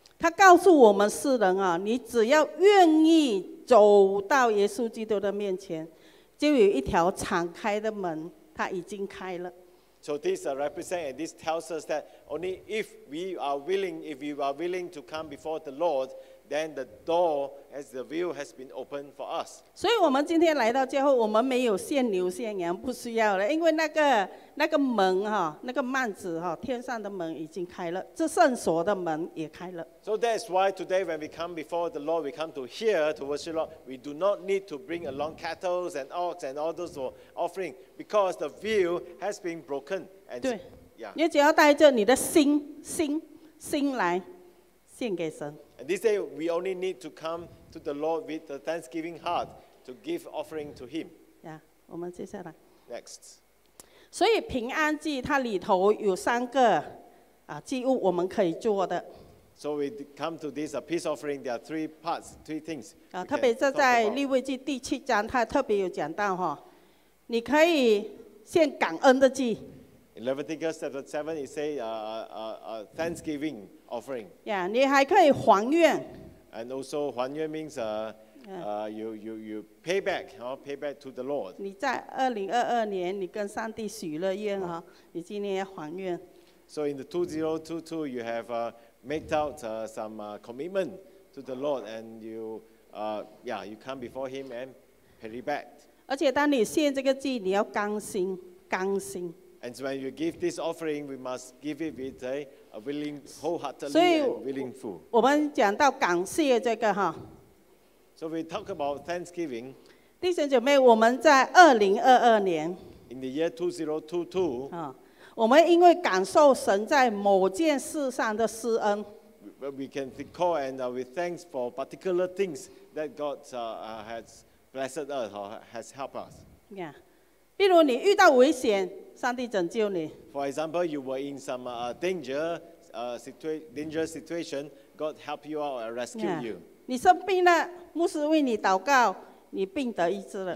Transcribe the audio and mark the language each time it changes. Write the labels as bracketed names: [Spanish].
[Chinese] 他告诉我们世人啊，你只要愿意走到耶稣基督的面前，就有一条敞开的门，他已经开了。 [English] So this represents and this tells us that only if we are willing, if you are willing to come before the Lord. Then the door as the view has been opened for us. [Chinese] 所以我们今天来到教会，我们没有献牛献羊，不需要了，因为那个门那个幔子天上的门已经开了，这圣所的门也开了。 [English] So that's why today when we come before the Lord, we come to hear to worship Lord. We do not need to bring along cattle and ox and all those for offering because the view has been broken. And [Chinese] 对， yeah. 你只要带着你的心来献给神。 [English] And this day, we only need to come to the Lord with a thanksgiving heart to give offering to Him. [Chinese] Yeah, 我们接下来。 [English] Next. [Chinese] 所以平安祭它里头有三个祭物我们可以做的。 [English] So we come to this peace offering. There are three parts, three things. [Chinese] 特别是在利未记第七章，它特别有讲到你可以献感恩的祭。 [English] In Leviticus chapter 7, it says thanksgiving offering. [Chinese] Yeah, 你还可以还愿。 [English] And also, 还愿 means you pay back, pay back to the Lord. [Chinese] 你在2022年，你跟上帝许了愿你今年要还愿。 [English] So in the 2022, you have made out some commitment to the Lord, and you come before Him and pay it back. [Chinese] 而且当你献这个祭，你要刚心，刚心。 [English] And so when you give this offering, we must give it with a willing, wholeheartedly and willingful. [Chinese] 我们讲到感谢这个 [English] So we talk about thanksgiving. [Chinese] 弟兄姐妹，我们在2022年 [English] In the year 2022, [Chinese] 我们因为感受神在某件事上的施恩 [English] We can recall and we thanks for particular things that God has blessed us or has helped us. Yeah. [Chinese] 比如你遇到危险，上帝拯救你。 [English] For example, you were in some dangerous situation. God helped you out and rescued you. [Chinese] 你生病了，牧师为你祷告，你病得医治了。